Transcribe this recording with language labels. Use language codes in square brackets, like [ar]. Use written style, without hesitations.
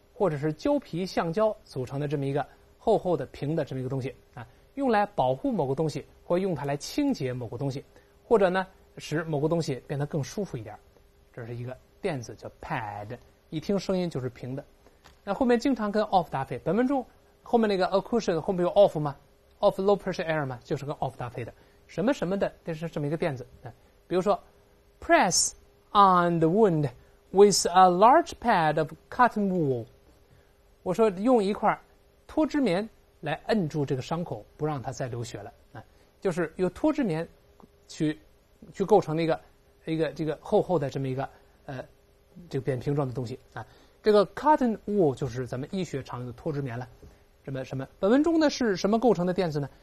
[zh] 或者是胶皮、橡胶组成的这么一个厚厚的平的这么一个东西啊，用来保护某个东西，或用它来清洁某个东西，或者呢使某个东西变得更舒服一点。这是一个垫子叫 pad， 一听声音就是平的。那后面经常跟 of 搭配，本文中后面那个 a cushion 后面有 of 吗 ？ [en] of low pressure air [zh] 吗？就是跟 of 搭配的，什么什么的，这是这么一个垫子啊。比如说 [en] ，press on the wound with a large pad of cotton wool。 [zh] 我说用一块脱脂棉来摁住这个伤口，不让它再流血了啊，就是用脱脂棉去构成一个这个厚厚的这么一个这个扁平状的东西啊。这个 cotton wool 就是咱们医学常用的脱脂棉了。什么什么？本文中呢是什么构成的垫子呢？